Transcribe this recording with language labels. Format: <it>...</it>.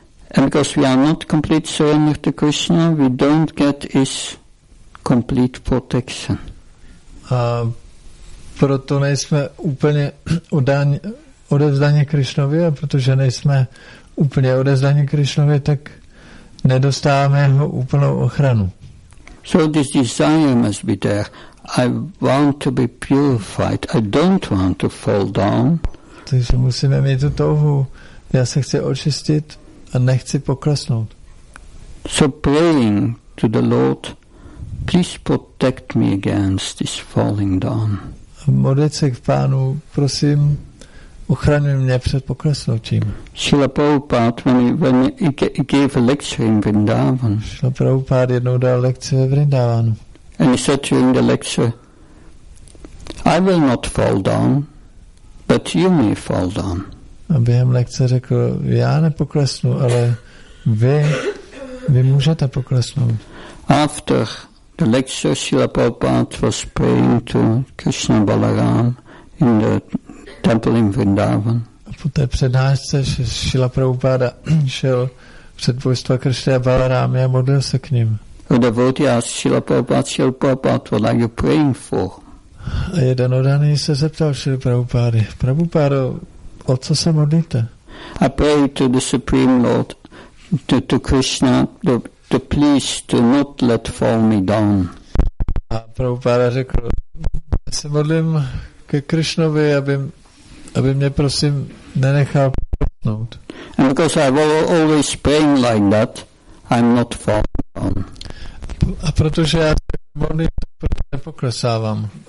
<en>And because we are not complete surrender to Krishna, we don't get his complete protection.</en> <cs>A proto nejsme úplně odevzdáni Krishnovi, a protože nejsme úplně odevzdáni Krishnovi, tak nedostáváme jeho úplnou ochranu.</cs> <en>So this desire must be there. I want to be purified. I don't want to fall down.</en> <cs>Takže musíme mít tu touhu. Já se chci očistit a nechci poklesnout.</cs> <en>So praying to the Lord, please protect me against this falling down.</en> <cs>Modlit se k Pánu, prosím, ochraňuj mě před poklesnutím.</cs> <en>Srila Prabhupada, when he gave a lecture in Vrindavan.</en> <cs>Srila Prabhupada jednou dal lekci ve Vrindavanu.</cs> <en>And he said during the lecture, I will not fall down, but you may fall down.</en> <cs>A během lekce řekl, já nepoklesnu, ale vy můžete poklesnout.</cs> <en>After the lecture, Srila Prabhupada was praying to Krishna Balaram in the temple in Vrindavan.</en> <cs>A po té přednášce Srila Prabhupada šel před božstva Krishna Balarámy a modlil se k ním.</cs> <en>A devotee asked Srila Prabhupada, Srila Prabhupada, what are you praying for?</en> <cs>A jeden odaný se zeptal Srila Prabhupada, Prabhupada, o co se modlíte?</cs> <en>I pray to the Supreme Lord, to Krishna, to please to not let fall me down.</en> <cs>A Prabhupada řekl, já se modlím ke Krishnovi, aby mě prosím nenechal padnout.</cs> <en>And because I will always pray like that, I'm not falling down.</en> <cs>A protože já se modlím, proto nepoklesávám.</cs>